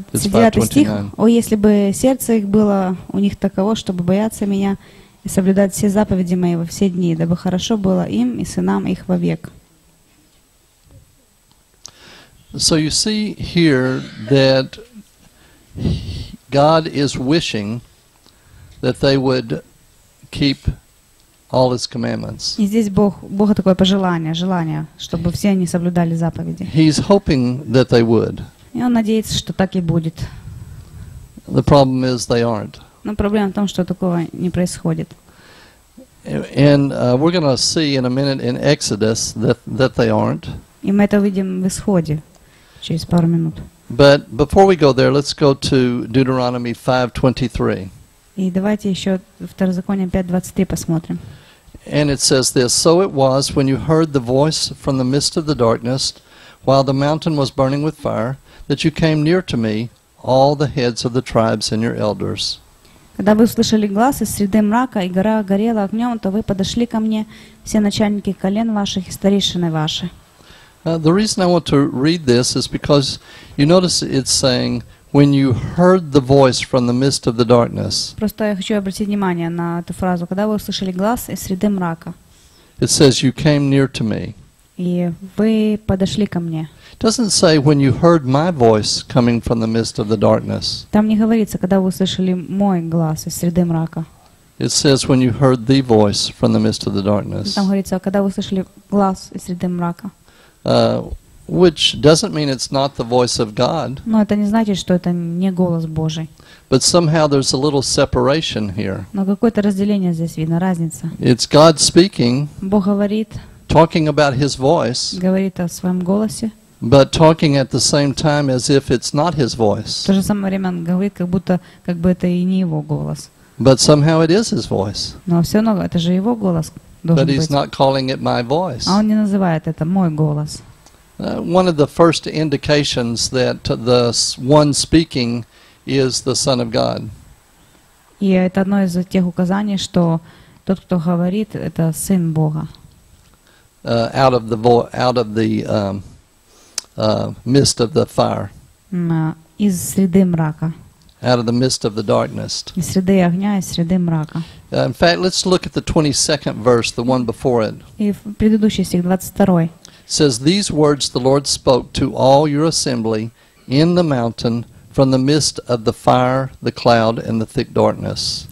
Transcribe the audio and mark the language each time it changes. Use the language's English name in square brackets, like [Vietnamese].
[Russian] 29 стих. О, если бы сердце их было у них таково, чтобы бояться меня и соблюдать все заповеди мои во все дни, дабы хорошо было им и сынам их вовек. [English] So you see here that God is wishing that they would keep all his commandments. [Russian] И здесь Бог, Бога такое пожелание, желание, чтобы все они соблюдали заповеди. [English] He's hoping that they would. [Russian] И он надеется, что так и будет. [English] The problem is they aren't. [Russian] Но проблема в том, что такого не происходит. [English] And we're going to see in a minute in Exodus that they aren't. [Russian] И мы это увидим в Исходе через пару минут. [English] But before we go there, let's go to Deuteronomy 5:23. [Russian] И давайте еще Второзаконие 5:23 посмотрим. [English] And it says this: So it was when you heard the voice from the midst of the darkness, while the mountain was burning with fire, that you came near to me, all the heads of the tribes and your elders. [Russian] Когда вы услышали глаз из среды мрака, и гора горела огнем, то вы подошли ко мне, все начальники колен ваших и старейшины ваши. [English] The reason I want to read this is because you notice it's saying, when you heard the voice from the midst of the darkness. [Russian] Просто я хочу обратить внимание на эту фразу. Когда вы услышали глаз из среды мрака. [English] It says, you came near to me. [Russian] И вы подошли ко мне. [English] It doesn't say when you heard my voice coming from the midst of the darkness. [Russian] Там не говорится, когда вы услышали мой глаз из среды мрака. [English] It says when you heard the voice from the midst of the darkness. [Russian] Там говорится, когда вы услышали глаз из среды мрака. [English] Which doesn't mean it's not the voice of God. [Russian] Но это не значит, что это не голос Божий. [English] But somehow there's a little separation here. [Russian] Но какое-то разделение здесь видно, разница. [English] It's God speaking. [Russian] Бог говорит. [English] Talking about His voice. [Russian] Говорит о своем голосе. [English] But talking at the same time as if it's not his voice. [Russian] В то же самое время он говорит, как будто как бы это и не его голос. [English] But somehow it is his voice. [Russian] Но все равно это же его голос должен быть. [English] But he's [Russian] быть. [English] Not calling it my voice. [Russian] А он не называет это мой голос. [English] One of the first indications that the one speaking is the Son of God. [Russian] И это одно из тех указаний, что тот, кто говорит, это Сын Бога. [English] Mist of the fire. [Russian] Из среды мрака. [English] Out of the mist of the darkness. [Russian] Из среды огня, из среды мрака. [English] In fact, let's look at the 22nd verse, the one before it. [Russian] И в предыдущий стих, 22. [English] It says, these words the Lord spoke to all your assembly in the mountain from the mist of the fire, the cloud, and the thick darkness.